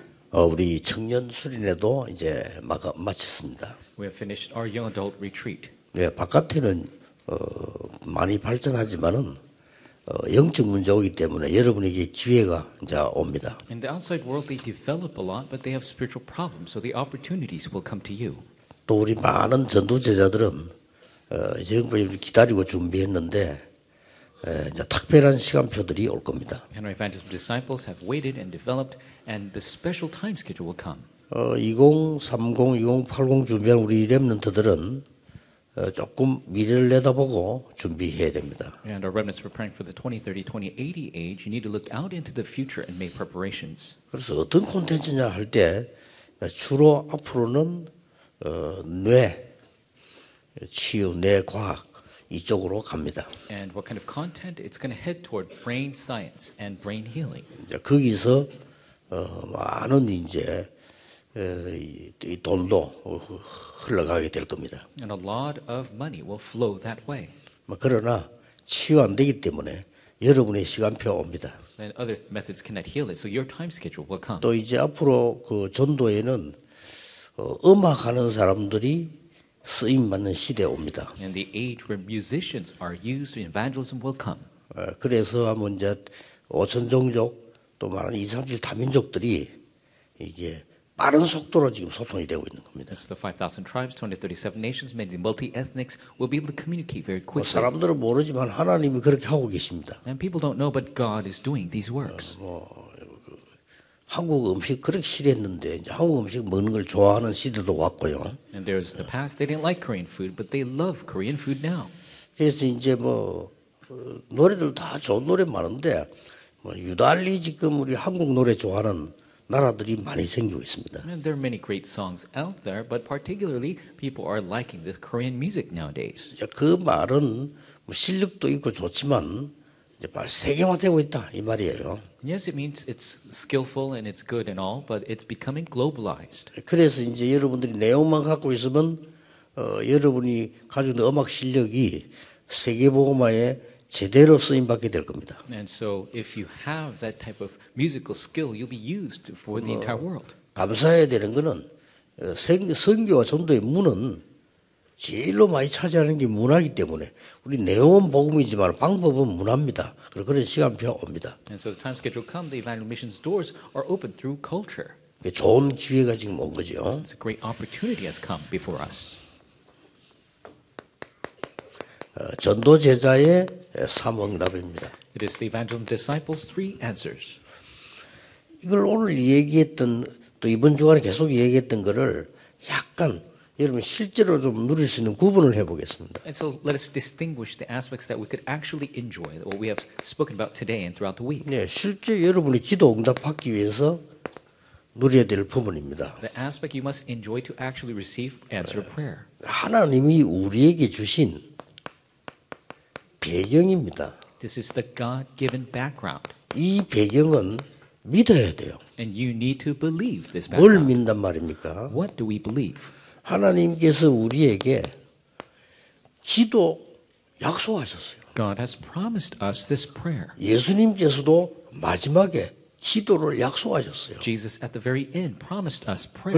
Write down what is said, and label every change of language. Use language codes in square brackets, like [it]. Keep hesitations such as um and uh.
[ko] 어, 우리 청년 수련회도 이제 막, 마쳤습니다. [en] We have finished our young adult retreat. [ko] 네, 바깥에는 어, 많이 발전하지만은 어, 영적 문제 오기 때문에 여러분에게 기회가 이제 옵니다. [en] In the outside world, they develop a lot, but they have spiritual problems, so the opportunities will come to you. [ko] 또 우리 많은 전도 제자들은 어, 이제 기다리고 준비했는데. 이제 특별한 시간표들이 올 겁니다. [en] Henry Evangelist's disciples have waited and developed, and the special time schedule will come. [ko] 2030, 2080 준비한 우리 렘넌트들은 조금 미래를 내다보고 준비해야 됩니다. [en] And our remnants preparing for the 2030, 2080 age, you need to look out into the future and make preparations. [ko] 그래서 어떤 콘텐츠냐 할 때 주로 앞으로는 어, 뇌 치유, 뇌 과학 이쪽으로 갑니다. [en] And what kind of content? It's going to head toward brain science and brain healing. [ko] 이제 거기서 어, 많은 이제 어, 이 돈도 흘러가게 될 겁니다. [en] And a lot of money will flow that way. [ko] 그러나 치유 안 되기 때문에 여러분의 시간표 옵니다. [en] And other methods cannot heal it, so your time schedule will come. [ko] 또 이제 앞으로 그 전도에는 어, 음악하는 사람들이 쓰임 받는 시대 옵니다. [en] And the age where musicians are used in evangelism will come. [ko] 그래서 먼저 오천 종족 또 많은 이삼십 다민족들이 이게 빠른 속도로 지금 소통이 되고 있는 겁니다. [en] So the 5,000 tribes, 237 nations, many multi-ethnics will be able to communicate very quickly. [ko] 사람들은 모르지만 하나님이 그렇게 하고 계십니다. [en] And people don't know, but God is doing these works. [ko] 어, 뭐. 한국 음식 그렇게 싫었는데 이제 한국 음식 먹는 걸 좋아하는 시대도 왔고요. [en] And there's the past they didn't like Korean food, but they love Korean food now. [ko] 그래서 이제 뭐 노래들 다 좋은 노래 많은데 뭐 유달리 지금 우리 한국 노래 좋아하는 나라들이 많이 생기고 있습니다. [en] And there are many great songs out there, but particularly people are liking the Korean music nowadays. [ko] 그 말은 뭐 실력도 있고 좋지만. 이제 말 세계화 되고 있다 이 말이에요. [en] Yes, it means it's skillful and it's good and all, but it's becoming globalized. [ko] 그래서 이제 여러분들이 내용만 갖고 있으면 어, 여러분이 가지고 있는 음악 실력이 세계복음화에 제대로 쓰임 받게 될 겁니다. [en] And so, if you have that type of musical skill, you'll be used for the entire world. [ko] 감사해야 되는 것은 성교와 전도의 문은 제일로 많이 차지하는 게 문화이기 때문에 우리 내용은 복음이지만 방법은 문화입니다. 그리고 그런 시간표 옵니다. [en] And so the time schedule come, the evangelical missions doors are open through culture. [ko] 좋은 기회가 지금 온 거죠. [en] It's a great opportunity has come before us. [ko] 어, 전도 제자의 삼응답입니다. [en] It is the evangelical disciples' three answers. [ko] 이걸 오늘 얘기했던 또 이번 주간에 계속 얘기했던 거를 약간 여러분 실제로 좀 누릴 수 있는 구분을 해보겠습니다. [en] And so let us distinguish the aspects that we could actually enjoy what we have spoken about today and throughout the week. [ko] 네, 실제 여러분의 기도 응답받기 위해서 누려야 될 부분입니다. [en] The aspect you must enjoy to actually receive answer prayer. [ko] 하나님이 우리에게 주신 배경입니다. [en] This is the God-given background. [ko] 이 배경은 믿어야 돼요. [en] And you need to believe this background. [ko] 뭘 믿는 말입니까? [en] What do we believe? [ko] 하나님께서 우리에게 기도 약속하셨어요. [en] God has promised us this prayer. [ko] 예수님께서도 마지막에 기도를 약속하셨어요. [en] Jesus at the very end promised us prayer.